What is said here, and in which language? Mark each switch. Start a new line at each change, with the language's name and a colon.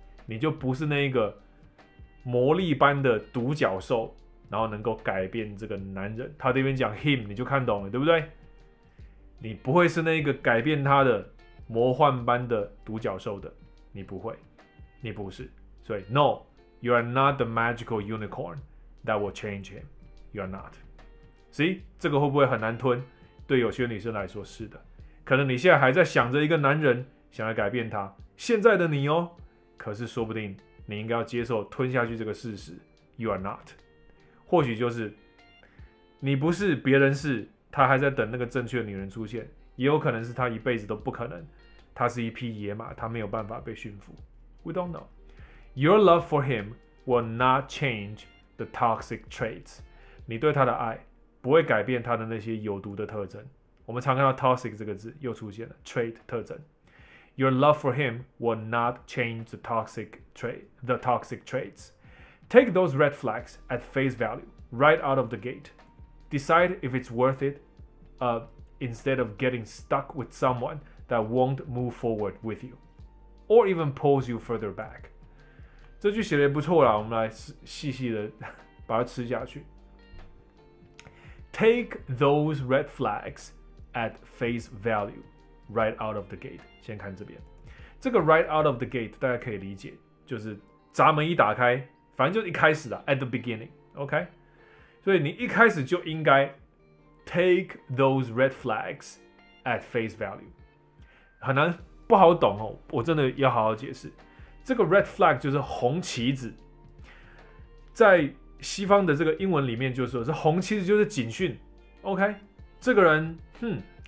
Chinese: 你就不是那一个魔力般的独角兽，然后能够改变这个男人。他这边讲 him， 你就看懂了，对不对？你不会是那一个改变他的魔幻般的独角兽的，你不会，你不是。
English: 所以 ，no， you are not the magical unicorn that will change him. You are not. See，
Chinese: 这个会不会很难吞？对有些女生来说是的，可能你现在还在想着一个男人，想要改变他，现在的你哦。可是说不定你应该要接受吞下去这个事实 ，
English: You are not，
Chinese: 或许就是你不是，别人是，他还在等那个正确的女人出现，也有可能是他一辈子都不可能，他是一匹野马，他没有办法被驯服。
English: We don't know. Your love for him will not change the toxic traits.
Chinese: 你对他的爱不会改变他的那些有毒的特征。我们常看到 toxic 这个字又出现了 ，trait 特征。
English: Your love for him will not change the toxic traits. Take those red flags at face value, right out of the gate. Decide if it's worth it, instead of getting stuck with someone that won't move forward with you, or even pulls you further back.
Chinese: 这句写得不错啦，我们来细细的把它吃下去。
English: Take those red flags at face value.
Chinese: Right out of the gate， 先看这边，这个 right out of the gate 大家可以理解，就是闸门一打开，反正就一开始了 ，at the beginning， OK， 所以你一开始就应该
English: take those red flags at face value，
Chinese: 很难不好懂哦，我真的要好好解释，这个 red flag 就是红旗子，在西方的这个英文里面就是说是红旗子就是警讯 ，OK， 这个人，哼。